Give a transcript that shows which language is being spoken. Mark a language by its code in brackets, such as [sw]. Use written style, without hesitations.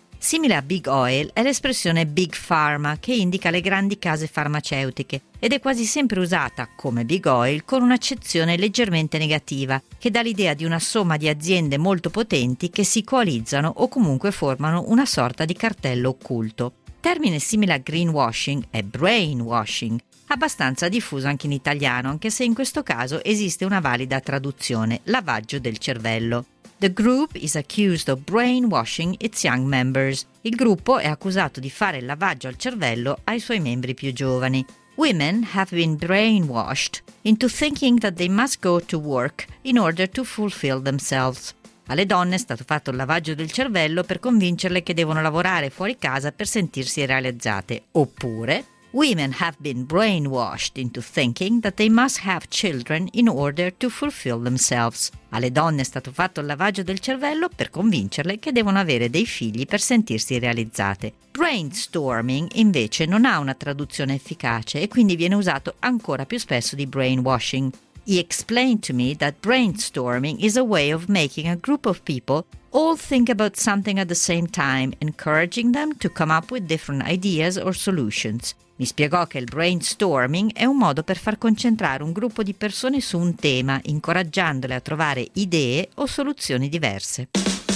[it] Simile a Big Oil è l'espressione Big Pharma, che indica le grandi case farmaceutiche, ed è quasi sempre usata, come Big Oil, con un'accezione leggermente negativa, che dà l'idea di una somma di aziende molto potenti che si coalizzano o comunque formano una sorta di cartello occulto. Termine simile a greenwashing è brainwashing, abbastanza diffuso anche in italiano, anche se in questo caso esiste una valida traduzione, lavaggio del cervello. [en] The group is accused of brainwashing its young members. [it] Il gruppo è accusato di fare lavaggio al cervello ai suoi membri più giovani. [en] Women have been brainwashed into thinking that they must go to work in order to fulfill themselves. [it] Alle donne è stato fatto il lavaggio del cervello per convincerle che devono lavorare fuori casa per sentirsi realizzate. Oppure, [en] women have been brainwashed into thinking that they must have children in order to fulfill themselves. [it] Alle donne è stato fatto il lavaggio del cervello per convincerle che devono avere dei figli per sentirsi realizzate. Brainstorming, invece, non ha una traduzione efficace e quindi viene usato ancora più spesso di brainwashing. [en] He explained to me that brainstorming is a way of making a group of people all think about something at the same time, encouraging them to come up with different ideas or solutions. [it] Mi spiegò che il brainstorming è un modo per far concentrare un gruppo di persone su un tema, incoraggiandole a trovare idee o soluzioni diverse.